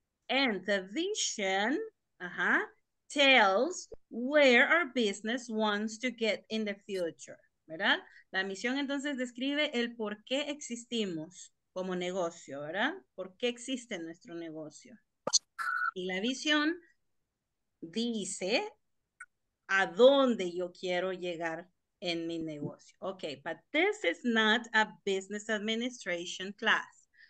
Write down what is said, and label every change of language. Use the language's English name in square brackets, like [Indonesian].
[English] And the vision tells where our business wants to get in the future. [Spanish] ¿Verdad? La misión entonces describe el por qué existimos como negocio, ¿verdad? ¿Por qué existe nuestro negocio? Y la visión dice a dónde yo quiero llegar en mi negocio. [English] Okay, but this is not a business administration class.